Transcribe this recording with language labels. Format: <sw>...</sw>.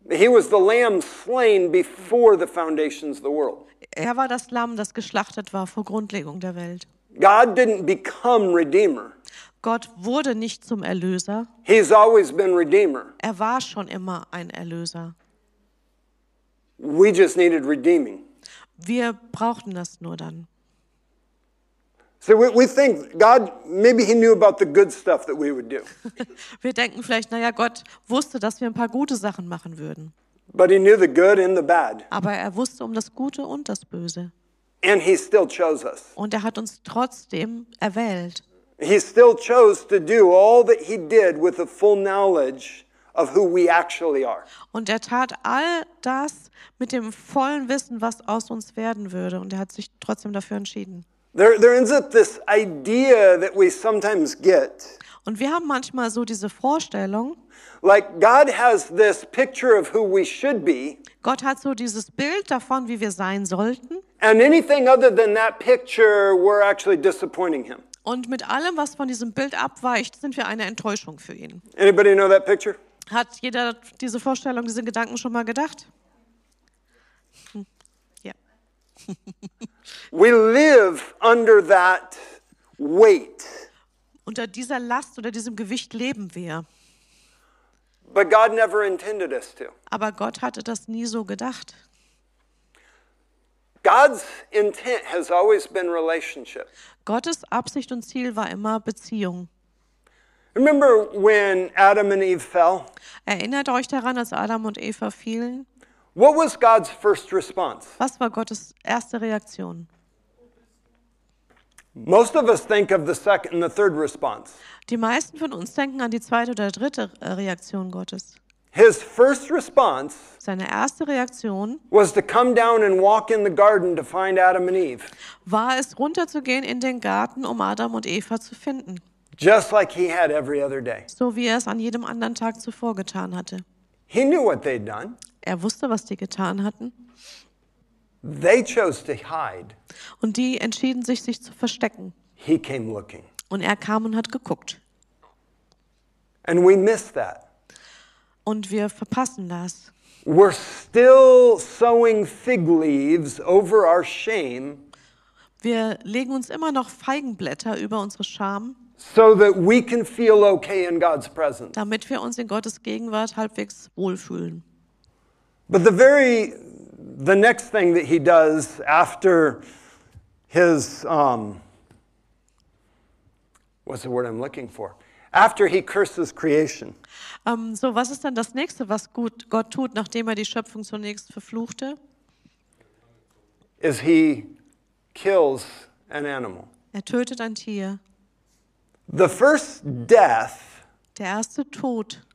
<en>he was the lamb slain before the foundations of the world.</en> <de>War das Lamm, das geschlachtet war vor Grundlegung der Welt.</de> <en>God didn't become redeemer.</en> <de>Gott wurde nicht zum Erlöser.</de> <en>He's always been redeemer.</en> <de>War schon immer ein Erlöser.</de> <en>We just needed redeeming.</en> <de>Wir brauchten das nur dann.</de> <en>So we think God maybe he knew about the good stuff that we would do.</en> <de>Wir denken vielleicht, na ja, Gott wusste, dass wir ein paar gute Sachen machen würden.</de> <en>But he knew the good and the bad.</en> <de>Aber wusste das Gute und das Böse.</de> <en>And he still chose us.</en> <de>Und hat uns trotzdem erwählt.</de> <en>He still chose to do all that he did with the full knowledge of who we actually are.</en> <de>Und tat all das mit dem vollen Wissen, was aus uns werden würde, und hat sich trotzdem dafür entschieden.</de> <en>There ends up this idea that we sometimes get.</en> <de>Und wir haben manchmal so diese Vorstellung.</de> <en>Like God has this picture of who we should be.</en> <de>Gott hat so dieses Bild davon, wie wir sein sollten.</de> <en>And anything other than that picture, we're actually disappointing him.</en> <de>Und mit allem, was von diesem Bild abweicht, sind wir eine Enttäuschung für ihn.</de> <en>Anybody know that picture?</en> <de>Hat jeder diese Vorstellung, diesen Gedanken schon mal gedacht? Ja.</de> <en>We live under that weight.</en> <de>Unter dieser Last oder diesem Gewicht leben wir.</de> <en>But God never intended us to.</en> <de>Aber Gott hatte das nie so gedacht.</de> <en>God's intent has always been relationship.</en> <de>Gottes Absicht und Ziel war immer Beziehung.</de> <en>Remember when Adam and Eve fell?</en> <de>Erinnert euch daran, als Adam und Eva fielen?</de> <en>What was God's first response?</en> <de>Was war Gottes erste Reaktion?</de> <en>Most of us think of the second and the third response.</en> <de>Die meisten von uns denken an die zweite oder dritte Reaktion Gottes.</de> <en>His first response,</en> <de>seine erste Reaktion,</de> <en>was to come down and walk in the garden to find Adam and Eve.</en> <de>War es runterzugehen in den Garten, Adam und Eva zu finden.</de> <en>Just like he had every other day.</en> <de>So wie es an jedem anderen Tag zuvor getan hatte.</de> <en>He knew what they'd done.</en> <de>Wusste, was die getan hatten.</de> <en>They chose to hide.</en> <de>Und die entschieden sich, sich zu verstecken.</de> <en>He came looking.</en> <de>Und kam und hat geguckt.</de> <en>And we miss that.</en> <de>Und wir verpassen das.</de> <en>We're still sowing fig leaves over our shame.</en> <de>Wir legen uns immer noch Feigenblätter über unsere Scham.</de> <en>So that we can feel okay in God's presence.</en> <de>Damit wir uns in Gottes Gegenwart halbwegs wohlfühlen.</de> <en>But the next thing that he does after his, what's the word I'm looking for? after he curses creation?</en> <de>So was ist dann das nächste, was Gott tut, nachdem er die Schöpfung zunächst verfluchte?</de> <en>Is he kills an animal.</en> <de>Er tötet ein Tier.</de> <en>The first death,</en> <de>der erste Tod,</de>